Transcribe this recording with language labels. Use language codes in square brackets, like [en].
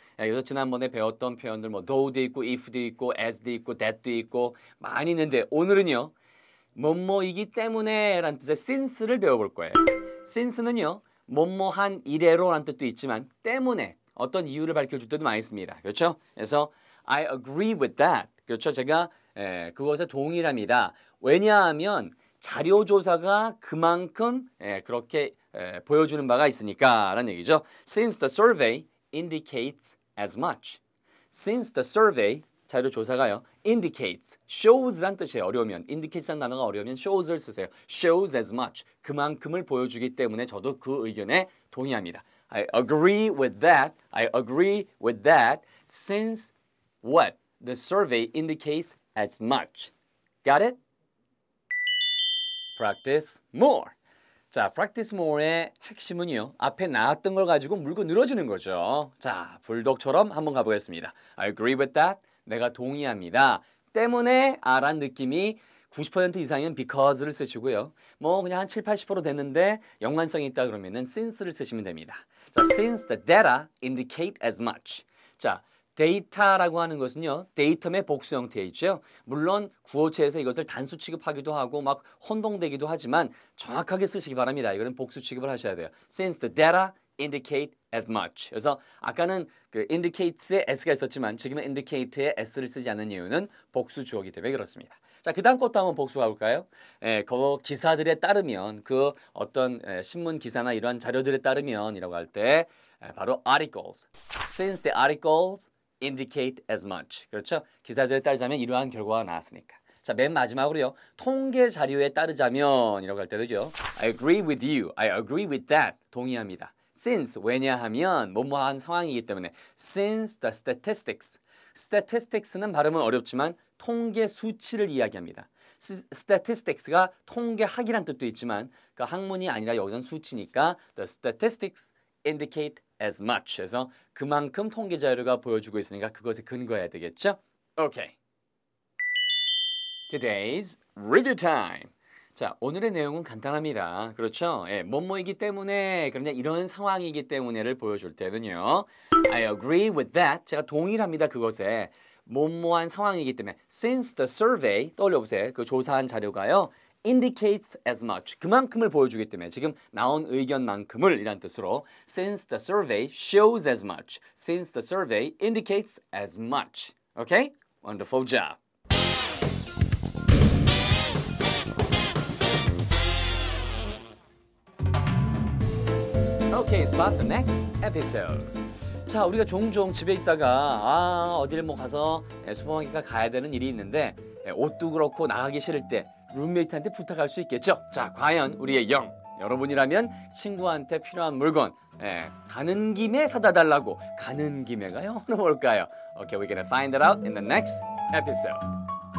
[ko] 그래서 지난번에 배웠던 표현들 뭐 though도 있고, if도 있고, as도 있고, that도 있고 많이 있는데 오늘은요, 뭐뭐이기 때문에라는 뜻의 since를 배워볼 거예요. since는요, 뭐뭐한 이래로라는 뜻도 있지만 때문에. 어떤 이유를 밝혀줄 때도 많이 있습니다. 그렇죠? 그래서 [en] I agree with that. [ko] 그렇죠? 제가 그것에 동의합니다. 왜냐하면 자료조사가 그만큼 그렇게 보여주는 바가 있으니까 라는 얘기죠. [en] Since the survey indicates as much. Since the survey, [ko] 자료조사가요. Indicates, shows란 뜻이에요. 어려우면. Indicates란 단어가 어려우면 shows를 쓰세요. [en] Shows as much. [ko] 그만큼을 보여주기 때문에 저도 그 의견에 동의합니다. [en] I agree with that. I agree with that. Since what? The survey indicates as much. Got it? Practice more. [ko] 자, practice more의 핵심은요. 앞에 나왔던 걸 가지고 물고 늘어지는 거죠. 자, 불독처럼 한번 가보겠습니다. [en] I agree with that. [ko] 내가 동의합니다. 때문에 아란 느낌이 90% 이상은 because를 쓰시고요. 뭐 그냥 한 7, 80% 됐는데 연관성이 있다 그러면은 since를 쓰시면 됩니다. [en] 자, since the data indicate as much. [ko] 자, data라고 하는 것은요. datum의 복수 형태이죠. 물론 구어체에서 이것을 단수 취급하기도 하고 막 혼동되기도 하지만 정확하게 쓰시기 바랍니다. 이거는 복수 취급을 하셔야 돼요. [en] since the data indicate as much. [ko] 그래서 아까는 그 indicates에 s가 있었지만 지금은 indicate에 s를 쓰지 않는 이유는 복수 주어이기 때문에 그렇습니다. 자, 그 다음 것도 한번 복수가 볼까요? 예, 그 기사들에 따르면, 그 어떤 신문 기사나 이러한 자료들에 따르면 이라고 할 때 바로 articles. [en] Since the articles indicate as much. [ko] 그렇죠? 기사들에 따르자면 이러한 결과가 나왔으니까. 자, 맨 마지막으로요. 통계 자료에 따르자면 이라고 할 때도죠. [en] I agree with you. I agree with that. [ko] 동의합니다. Since, 왜냐하면, 뭐뭐한 상황이기 때문에. [en] Since the statistics. [ko] Statistics는 발음은 어렵지만 통계 수치를 이야기합니다. Statistics가 통계학이란 뜻도 있지만 그 학문이 아니라 여기는 수치니까 [en] the statistics indicate as much. [ko] 그래서 그만큼 통계 자료가 보여주고 있으니까 그것에 근거해야 되겠죠? [en] Okay. Today's review time. [ko] 자, 오늘의 내용은 간단합니다. 그렇죠? 예, 뭐뭐이기 때문에, 그러냐 이런 상황이기 때문에를 보여줄 때는요. [en] I agree with that. [ko] 제가 동의합니다. 그것에. 뭐뭐한 상황이기 때문에 [en] since the survey [ko] 떠올려보세요. 그 조사한 자료가요 [en] indicates as much [ko] 그만큼을 보여주기 때문에 지금 나온 의견만큼을 이란 뜻으로 [en] since the survey shows as much since the survey indicates as much. Okay? Wonderful job. 오케이, spot the next episode. [ko] 자, 우리가 종종 집에 있다가 어디를 뭐 가서 슈퍼마켓가 가야 되는 일이 있는데 옷도 그렇고 나가기 싫을 때 룸메이트한테 부탁할 수 있겠죠? 자, 과연 우리의 영, 여러분이라면 친구한테 필요한 물건 예, 가는 김에 사다 달라고 가는 김에가요? 뭘까요? [en] Okay, we're gonna find it out in the next episode.